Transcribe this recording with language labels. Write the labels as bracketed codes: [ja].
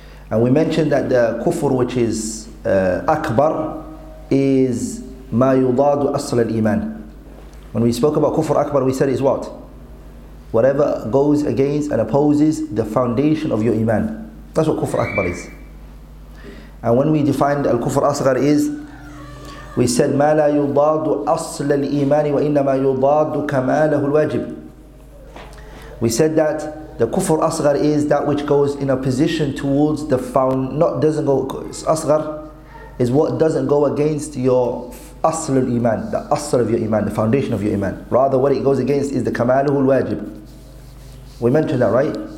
[en] And we mentioned that the kufr which is akbar is [ar] ما يضاد أصل الإيمان. [en] When we spoke about kufr akbar, we said it's what? Whatever goes against and opposes the foundation of your iman. That's what kufr akbar is. And when we defined al-kufr asghar is, we said [ar] ما لا يضاد أصل الإيمان وإنما يضاد كماله الواجب. [en] We said that the kufr asghar is that which goes in opposition towards the found, not doesn't go, asghar is what doesn't go against your asl al-iman, the asl of your iman, the foundation of your iman. Rather, what it goes against is the kamaluhu al-wajib. We mentioned that, right?